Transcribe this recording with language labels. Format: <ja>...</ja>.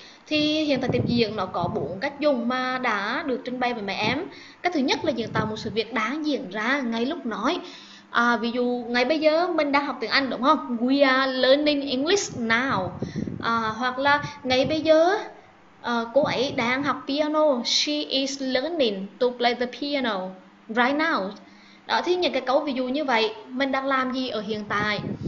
<vi>Thì hiện tại tiếp diễn nó có bốn cách dùng mà đã được trình bày với mẹ em. Cách thứ nhất là diễn tả một sự việc đang diễn ra ngay lúc nói. À, ví dụ ngay bây giờ mình đang học tiếng Anh đúng không?</vi> <en>We are learning English now.</en> <vi>À, hoặc là ngay bây giờ cô ấy đang học piano.</vi> <en>She is learning to play the piano right now.</en> <vi>Đó, thì những cái câu ví dụ như vậy, mình đang làm gì ở hiện tại?</vi>